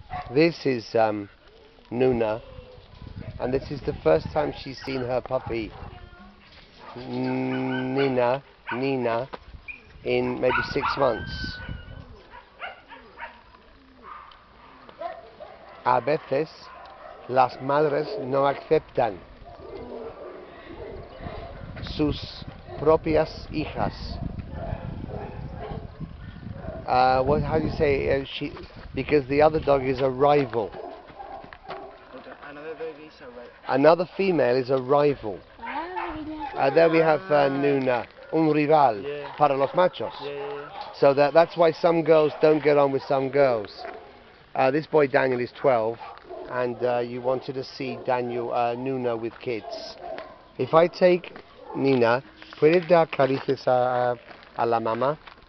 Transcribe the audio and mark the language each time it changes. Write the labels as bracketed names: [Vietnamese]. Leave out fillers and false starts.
[English] This is Nuna, and this is the first time she's seen her puppy Nina in maybe 6 months. [Spanish] A veces las madres no aceptan sus propias hijas. [English] How do you say it? Because the other dog is a rival. Another baby is a rival. Another female is a rival. There we have Nuna, [Spanish] un rival, [English] yeah. [Spanish] Para los machos. [English] Yeah, yeah, yeah. So that's why some girls don't get on with some girls. This boy Daniel is 12, and you wanted to see Daniel Nuna with kids. If I take Nina, [Spanish] ¿puedes dar caricias a la mamá?